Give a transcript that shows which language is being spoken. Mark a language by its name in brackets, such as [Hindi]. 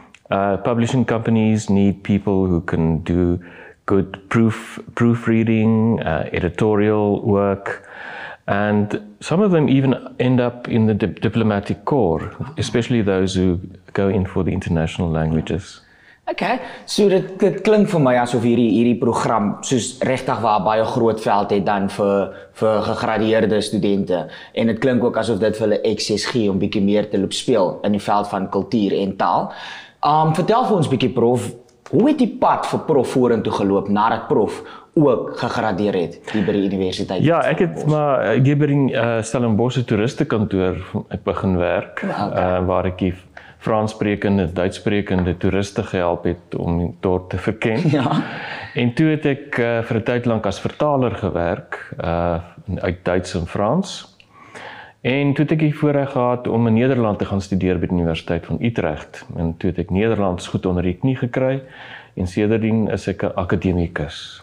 [English] Publishing companies need people who can do good proofreading, editorial work, and some of them even end up in the diplomatic corps, especially those who go in for the international languages. [Afrikaans] Okay, so dit klink vir my asof hierdie program soos regtig waar baie groot veld het dan vir gegradueerde studente, en dit klink ook asof dit vir hulle ekses gee om bietjie meer te loop speel in die veld van kultuur en taal. Vertel vir ons bietjie prof, hoe het die pad vir prof vorentoe geloop nadat prof ook gegradeer het hier by die universiteit? Ja, ek het maar hier by die Stellenbosch toeristekantoor ek begin werk, waar ek die Franssprekende, Duitssprekende toeriste gehelp het om die dorp te verken. Ja. En toe het ek vir 'n tyd lank as vertaler gewerk, uit Duits en Frans. En toe het ek die voorreg gehad om in Nederland te gaan studeer by die Universiteit van Utrecht. En toe het ek Nederlands goed onder die knie gekry, en sedertdien is ek 'n akademikus.